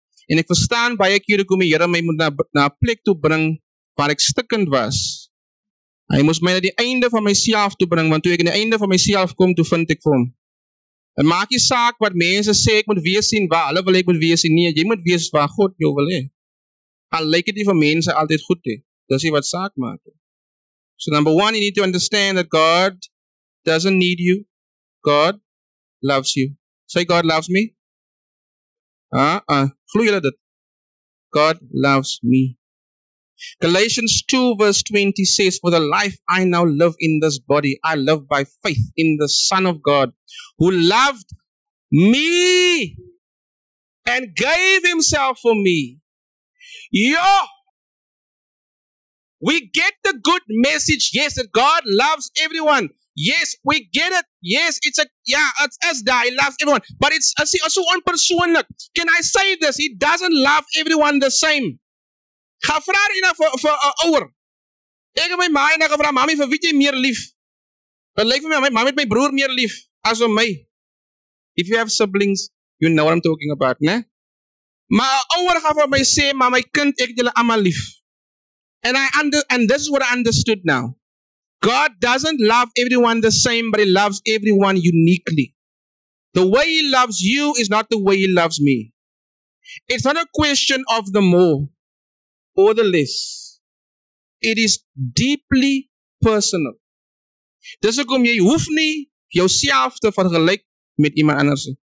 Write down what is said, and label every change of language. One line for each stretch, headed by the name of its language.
Afrikaans: En ek verstaan baie keer hoe die Here my moet na plek toe bring waar ek stikkend was. Hy moes my na die einde van myself toe bring, want toe ek aan die einde van myself kom, toe vind ek vir hom. En maak nie saak wat mense sê, ek moet wees en waar hulle wil ek moet wees en nie, jy moet wees waar God jou wil hê. Al lyk dit nie vir mense altyd goed hê. Dis wat saak maak.
English: So number one, you need to understand that God doesn't need you. God loves you. Say God loves me.
Afrikaans: Glo julle dit?
English: God loves me. Galatians 2 verse 20 says, for the life I now live in this body, I live by faith in the Son of God, who loved me and gave himself for me. Yo! We get the good message, yes, that God loves everyone. Yes, we get it. Yes, he loves everyone. But it's also onpersoonlik. Can I say this? He doesn't love everyone the same.
Afrikaans: Ga vraag jy nou vir 'n ouer. Ek en my ma en ek vra, mami, vir wie jy meer lief? Dit lyk vir my, mami het my broer meer lief as om my.
English: If you have siblings, you know what I'm talking about, ne?
Afrikaans: Maar 'n ouer gaan vir my sê, maar my kind, ek het julle allemaal lief.
English: And this is what I understood now. God doesn't love everyone the same, but he loves everyone uniquely. The way he loves you is not the way he loves me. It's not a question of the more or the less. It is deeply personal.
Afrikaans: Dis hoekom jy hoef nie jouself te vergelyk met iemand anders.